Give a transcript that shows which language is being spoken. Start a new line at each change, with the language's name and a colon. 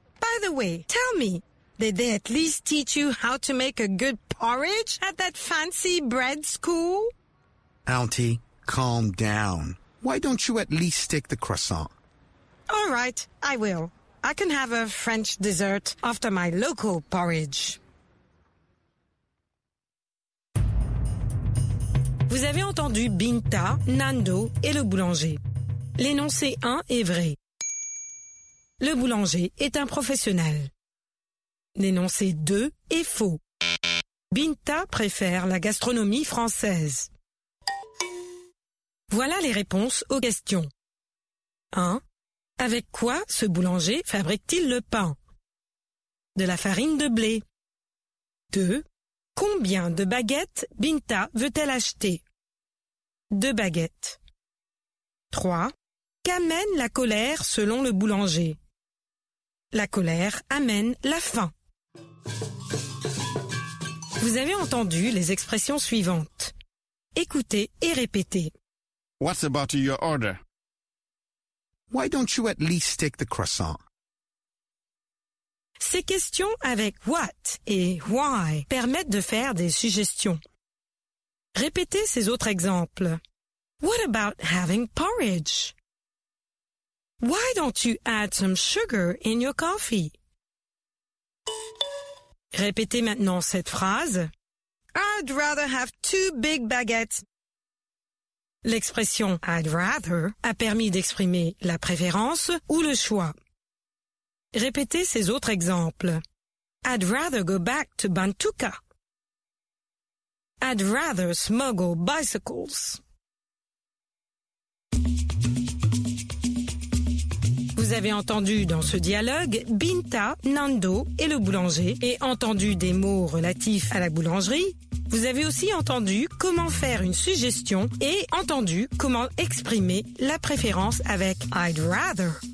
English: By the way, tell me, did they at least teach you how to make a good porridge at that fancy bread school? Auntie, calm down. Why don't you at least take the croissant? All right, I will. I can have a French dessert after my local porridge.
French: Vous avez entendu Binta, Nando et le boulanger. L'énoncé 1 est vrai. Le boulanger est un professionnel. L'énoncé 2 est faux. Binta préfère la gastronomie française. Voilà les réponses aux questions. 1. Avec quoi ce boulanger fabrique-t-il le pain? De la farine de blé. 2. Combien de baguettes Binta veut-elle acheter? 2 baguettes. 3. Qu'amène la colère selon le boulanger? La colère amène la faim. Vous avez entendu les expressions suivantes. Écoutez et répétez.
English: What's about your order? Why don't you at least take the croissant?
French: Ces questions avec what et why permettent de faire des suggestions. Répétez ces autres exemples.
English: What about having porridge? Why don't you add some sugar in your coffee?
French: Répétez maintenant cette phrase.
English: I'd rather have 2 big baguettes.
French: L'expression I'd rather a permis d'exprimer la préférence ou le choix. Répétez ces autres exemples.
English: I'd rather go back to Bantuka. I'd rather smuggle bicycles.
French: Vous avez entendu dans ce dialogue Binta, Nando et le boulanger et entendu des mots relatifs à la boulangerie. Vous avez aussi entendu comment faire une suggestion et entendu comment exprimer la préférence avec I'd rather.